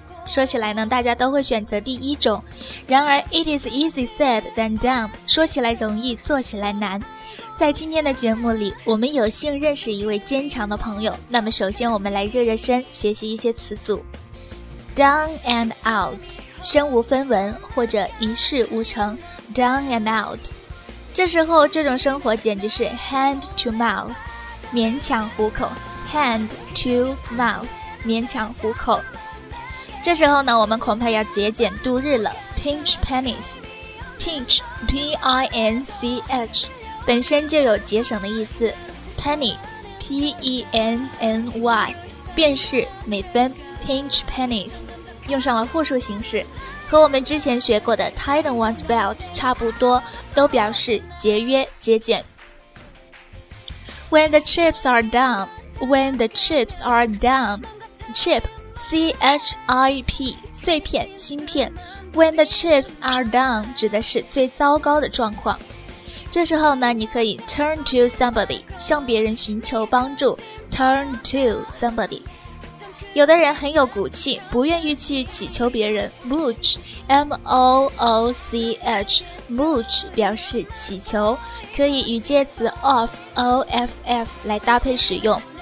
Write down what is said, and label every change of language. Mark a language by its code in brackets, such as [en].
[zh] 说起来呢，大家都会选择第一种。然而 [en] It is easy said than done， [zh] 说起来容易，做起来难。在今天的节目里，我们有幸认识一位坚强的朋友，那么首先我们来热热身，学习一些词组。 [en] Down and out， [zh] 身无分文或者一事无成。 [en] Down and out， [zh] 这时候这种生活简直是 [en] hand to mouth， [zh] 勉强糊口。 [en] hand to mouth， [zh] 勉强糊口。这时候呢，我们恐怕要节俭度日了。 [en] pinch pennies， [zh] pinch P-I-N-C-H， 本身就有节省的意思。 penny P-E-N-N-Y 便是每分。 [en] Pinch pennies [zh] 用上了复数形式，和我们之前学过的 [en] tighten one's belt [zh] 差不多，都表示节约节俭。 [en] When the chips are down， When the chips are down， Chip C-H-I-P [zh] 碎片芯片。 [en] When the chips are down [zh] 指的是最糟糕的状况。这时候呢，你可以 [en] turn to somebody， [zh] 向别人寻求帮助。 [en] turn to somebody。 [zh] 有的人很有骨气，不愿意去乞求别人。Mooch， M-O-O-C-H， Mooch 表示乞求，可以与介词 of， O-F-F 来搭配使用。